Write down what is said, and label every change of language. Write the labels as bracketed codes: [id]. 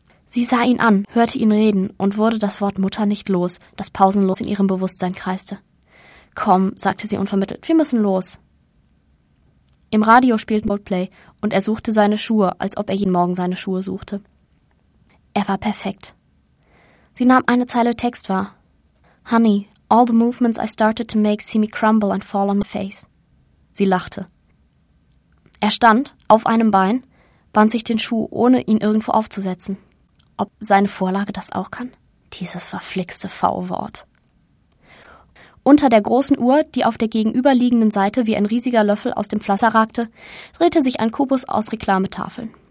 [de] Sie sah ihn an, hörte ihn reden und wurde das Wort Mutter nicht los, das pausenlos in ihrem Bewusstsein kreiste. Komm, sagte sie unvermittelt, wir müssen los. Im Radio spielte Coldplay und er suchte seine Schuhe, als ob er jeden Morgen seine Schuhe suchte. Er war perfekt. Sie nahm eine Zeile Text wahr. [en] Honey, all the movements I started to make see me crumble and fall on my face. [de] Sie lachte. Er stand auf einem Bein, band sich den Schuh, ohne ihn irgendwo aufzusetzen. Ob seine Vorlage das auch kann? Dieses verflixte V-Wort. Unter der großen Uhr, die auf der gegenüberliegenden Seite wie ein riesiger Löffel aus dem Pflaster ragte, drehte sich ein Kubus aus Reklametafeln.